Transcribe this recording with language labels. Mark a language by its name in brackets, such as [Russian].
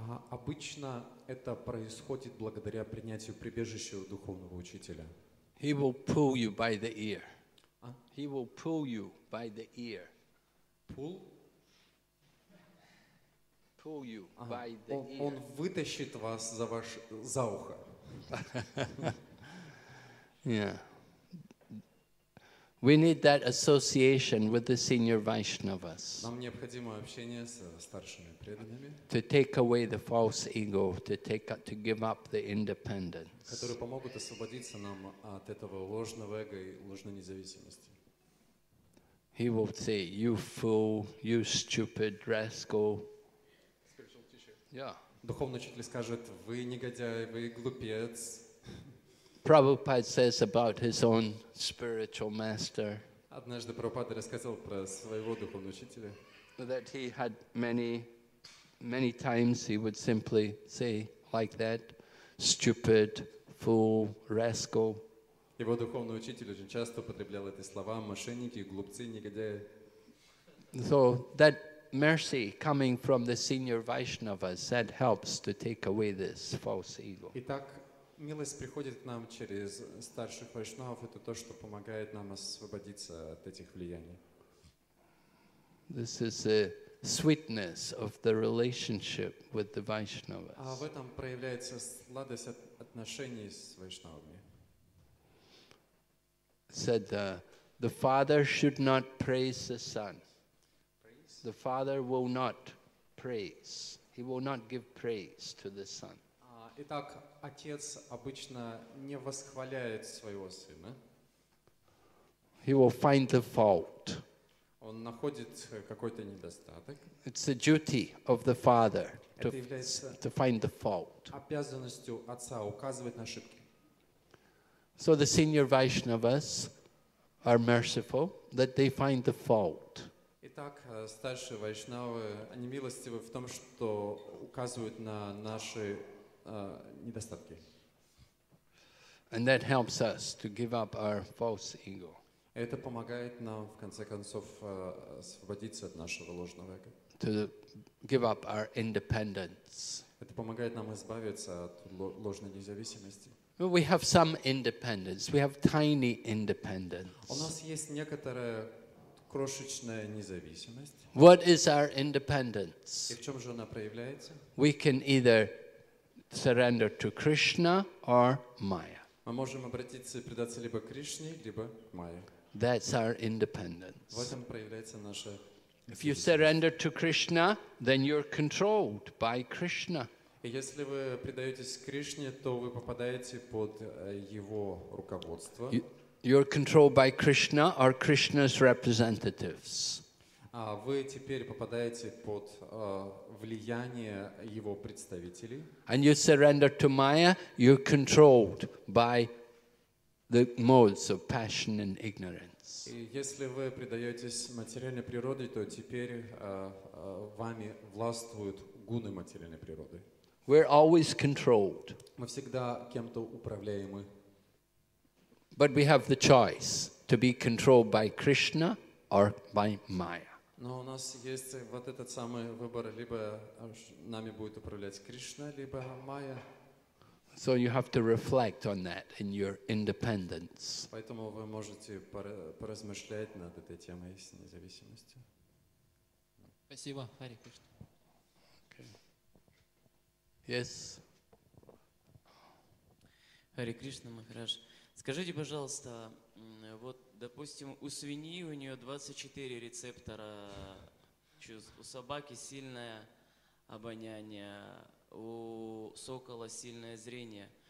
[Russian] Обычно это происходит благодаря принятию прибежища у духовного учителя. [English] He will pull you by the ear. He will pull you by the ear. Pull? Pull you by the [Russian] он, [English] ear. [Russian] Он вытащит вас за ваш за ухо. [English] Yeah. We need that association with the senior Vaishnavas. [Russian] Нам необходимо общение с старшими преданными. [English] To take away the false ego, to give up the independence. [Russian] Которые помогут освободиться нам от этого ложного эго и ложной независимости. [English] He will say, "You fool, you stupid rascal." Spiritual teacher. Yeah. [Russian] Духовный учитель скажет: "Вы негодяй, вы глупец." [English] Prabhupada says about his own spiritual master. [Russian] Однажды Прабхупада рассказывал про своего духовного учителя. [English] That he had many times he would simply say like that, "Stupid, fool, rascal." [Russian] Его духовный учитель очень часто употреблял эти слова: мошенники, глупцы, негодяи. [English] So that mercy coming from the senior Vaishnavas that helps to take away this false ego. [Russian] Итак, милость приходит к нам через старших вайшнавов, это то, что помогает нам освободиться от этих влияний. [English] This is the sweetness of the relationship with the Vaishnavas. [Russian] А в этом проявляется сладость отношений с вайшнавами. [English] Said the father should not praise the son. Praise? The father will not praise. He will not give praise to the son. [Russian] Итак, отец обычно не восхваляет своего сына. [English] He will find the fault. [Russian] Он находит какой-то недостаток. [English] It's the duty of the father to find the fault. [Russian] Обязанностью отца указывать на ошибки. [English] So the senior Vaishnavas are merciful that they find the fault. [Russian] Итак, старшие вайшнавы, они милостивы в том, что указывают на наши недостатки. [English] And that helps us to give up our false ego. [Russian] Это помогает нам в конце концов освободиться от нашего ложного эго. [English] To give up our independence. [Russian] Это помогает нам избавиться от ложной независимости. [English] We have some independence. We have tiny independence. [Russian] У нас есть некоторая крошечная независимость. [English] What is our independence? [Russian] И в чем же она проявляется? [English] We can either surrender to Krishna or Maya. [Russian] Мы можем обратиться и предаться либо Кришне, либо Майе. [English] That's our independence. [Russian] В этом проявляется наша. [English] If you surrender to Krishna, then you're controlled by Krishna. [Russian] И если вы предаетесь Кришне, то вы попадаете под его руководство. [English] You're controlled by Krishna or Krishna's representatives. [Russian] А вы теперь попадаете под влияние его представителей. [English] And you surrender to Maya, you're controlled by the modes of passion and ignorance. [Russian] И если вы предаетесь материальной природе, то теперь вами властвуют гуны материальной природы. [English] We're always controlled. [Russian] Мы всегда кем-то управляемы. [English] But we have the choice to be controlled by Krishna or by Maya. [Russian] Но у нас есть вот этот самый выбор: либо нами будет управлять Кришна, либо Майя. [English] So you have to reflect on that in your independence. [Russian] Поэтому вы можете поразмышлять над этой темой с независимостью. Спасибо, Хари Кришна. [English] Yes. Hare Krishna Maharaj. [Russian] Скажите, пожалуйста, вот, допустим, у свиньи у нее 24 рецептора чувств, у собаки сильное обоняние, у сокола сильное зрение.